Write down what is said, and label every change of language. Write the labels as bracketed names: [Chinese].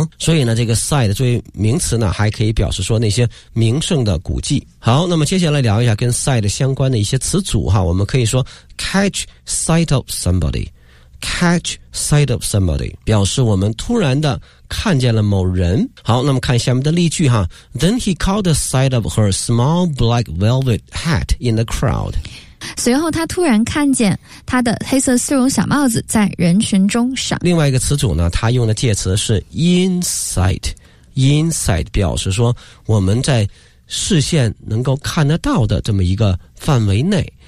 [Chinese] 所以呢，这个 sight 作为名词呢，还可以表示说那些名胜的古迹。好，那么接下来聊一下跟 sight 相关的一些词组哈。我们可以说 catch sight of somebody， catch sight of somebody 表示我们突然的看见了某人。好，那么看下面的例句哈。 [English] Then he caught the sight of her small black velvet hat in the crowd。 [Chinese] 随后他突然看见他的黑色丝绒小帽子在人群中闪。另外一个词组呢，他用的介词是 insight， insight 表示说我们在视线能够看得到的这么一个范围内。